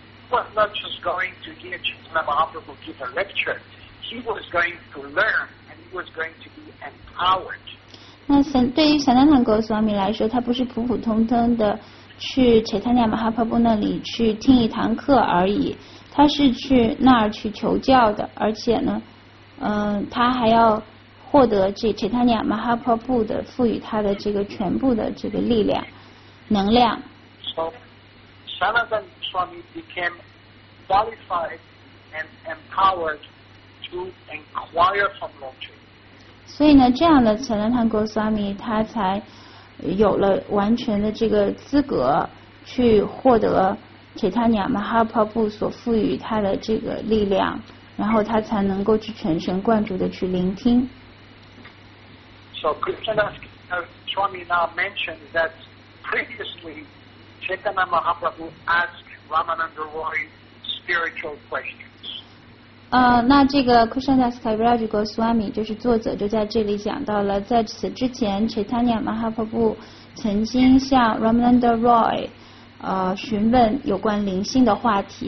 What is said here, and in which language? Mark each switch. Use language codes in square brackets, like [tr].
[en] Was not just going to hear Chaitanya Mahaprabhu give a lecture. He was going to learn, and he was going to be empowered. [zh] 那对于 Sanatana Goswami 来说，他不是普普通通的去 Chaitanya Mahaprabhu 那里去听一堂课而已，他是去那儿去求教的，而且呢，他还要获得这 Chaitanya Mahaprabhu 的赋予他的这个全部的这个力量、能量。 [en] Sanatana Swami became qualified and empowered to inquire from Lord Chaitanya. [zh] 所以呢，这样的 Sanatana Goswami 他才有了完全的这个资格去获得 Chaitanya Mahaprabhu 所赋予他的这个力量，然后他才能够去全神贯注的去聆听。 [en] So Krishna Swami now mentioned that previously. Chaitanya Mahaprabhu asked Ramananda Roy spiritual questions. [zh] 那这个 Krishnadas Kaviraj Goswami 就是作者就在这里讲到了，在此之前 ，Chaitanya Mahaprabhu 曾经向 Ramananda Roy 询问有关灵性的话题。